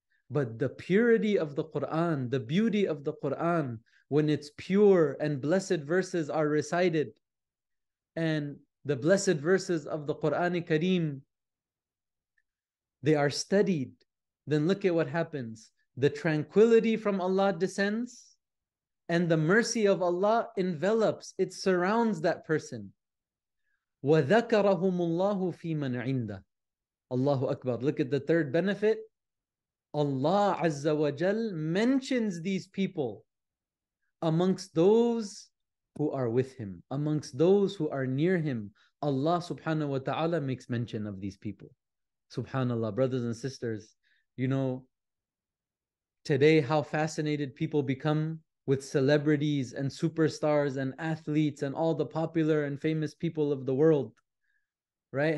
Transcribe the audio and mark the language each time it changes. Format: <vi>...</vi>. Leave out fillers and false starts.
<en>But the purity of the Qur'an, the beauty of the Qur'an, when it's pure and blessed verses are recited, and the blessed verses of the Qur'an Kareem, they are studied, then look at what happens. The tranquility from Allah descends, and the mercy of Allah envelops, it surrounds that person.</en> <ar>وَذَكَرَهُمُ اللَّهُ فِي مَنْ عِنْدَهُ Allahu Akbar.</ar> <en>Look at the third benefit. Allah Azza wa Jal mentions these people amongst those who are with Him, amongst those who are near Him. Allah subhanahu wa ta'ala makes mention of these people. Subhanallah, brothers and sisters, you know, today how fascinated people become with celebrities and superstars and athletes and all the popular and famous people of the world, right?</en>